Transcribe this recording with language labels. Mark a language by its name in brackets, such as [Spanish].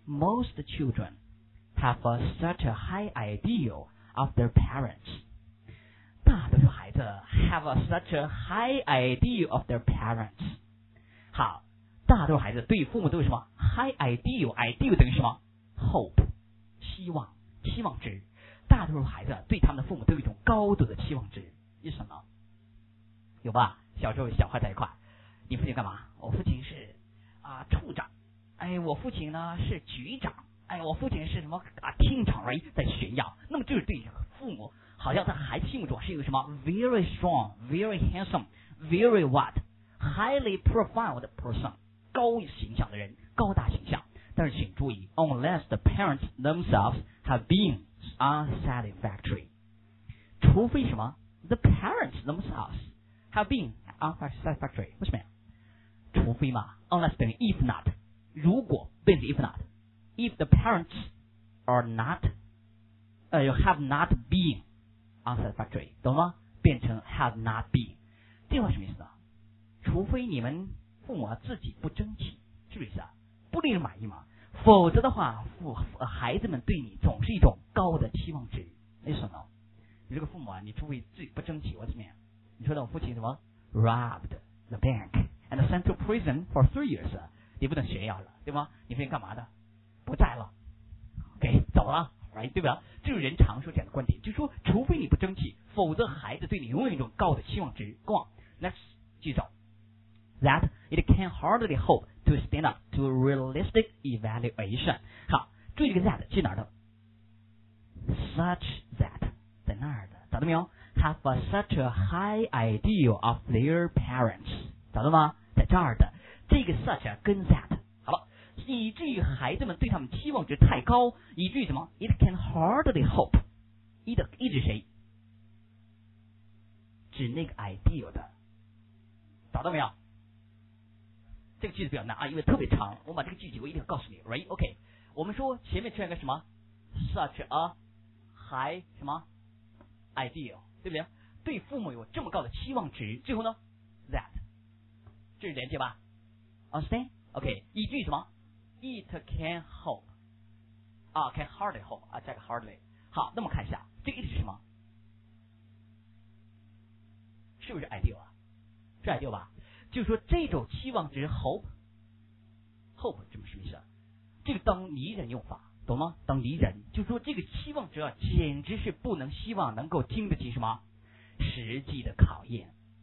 [English] Most children have a such a high ideal of their parents. [Chinese] 大多数孩子 [English] have a such a high ideal of their parents. [Chinese] 好，大多数孩子对父母都有什么 [English] high ideal？ [Chinese] ideal 等于什么 [English] ？hope， [Chinese] 希望，期望值。大多数孩子对他们的父母都有一种高度的期望值，是什么？有吧？小时候小孩在一块，你父亲干嘛？我父亲是啊处长，哎，我父亲呢是局长，哎，我父亲是什么啊厅长而已，在炫耀。那么就是对父母，好像在孩子心目中是一个什么 [English] very strong, very handsome, very what, highly profiled person, [Chinese] 高形象的人，高大形象。但是请注意 [English] ，unless the parents themselves have been unsatisfactory, [Chinese] 除非什么 [English] ，the parents themselves have been unsatisfactory, [Chinese] 为什么呀？除非嘛 [English] ，unless 等于 if not, [Chinese] 如果变成 [English] if not, if the parents are not, have not been unsatisfactory, [Chinese] 懂吗？变成 [English] have not been, [Chinese] 这话什么意思呢？除非你们父母自己不争气，是不是啊？不令人满意吗？否则的话，孩子们对你总是一种高的期望值。为什么？你这个父母啊，你除非自己不争气，我怎么样？你说的我父亲什么 [English] ？Robbed the bank and sent to prison for 3 years， [Chinese] 你不能炫耀了，对吗？你父亲干嘛的？不在了 ，OK， 走了 ，right， 对吧？这是人常说讲的观点，就是说，除非你不争气，否则孩子对你永远一种高的期望值。 [English] Go on， next， [Chinese] 继续走。 [English] That it can hardly hope to stand up to realistic evaluation. [Chinese] 好，注意这个 that 去哪儿的 ？Such that 在那儿的，找到没有 ？ [English] Have a such a high ideal of their parents. [Chinese] 找到吗？在这儿的，这个 such 跟 that 好了，以至于孩子们对他们期望值太高，以至于什么 ？ [English] It can hardly hope. [Chinese] 一直谁？指那个 ideal 的，找到没有？这个句子比较难啊，因为特别长，我把这个句子我一定要告诉你 ，right？ OK， 我们说前面出现一个什么 ， [English] such a high [Chinese] 什么 ideal， 对不对？对父母有这么高的期望值，最后呢 ，that， 这是连接吧 ？ [English] Understand？ [Chinese] OK， 一句什么 ？ [English] It can hope， [Chinese] 啊 ， [English] can hardly hope， [Chinese] 啊，加个 hardly。好，那么看一下，这个意思是什么？是不是 ideal 啊？是 ideal 吧？就是说这种期望值 hope 什么意思啊？这个当拟人用法，懂吗？当拟人就是说这个期望值啊，简直是不能希望能够经得起什么实际的考验。